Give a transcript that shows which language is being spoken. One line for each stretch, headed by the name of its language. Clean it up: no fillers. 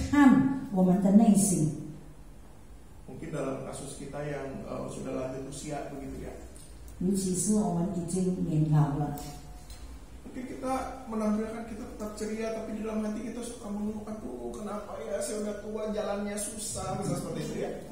Chinese: 我们忘记其实神是看我们的内心。
Indonesian: Mungkin dalam kasus kita yang sudah lanjut usia begitu ya.
Chinese: 尤其是我们已经年老了。
Indonesian: Tapi kita menampilkan kita tetap ceria, tapi di dalam hati kita suka mengeluhkan, tuh kenapa ya saya udah tua jalannya susah, bisa seperti itu ya.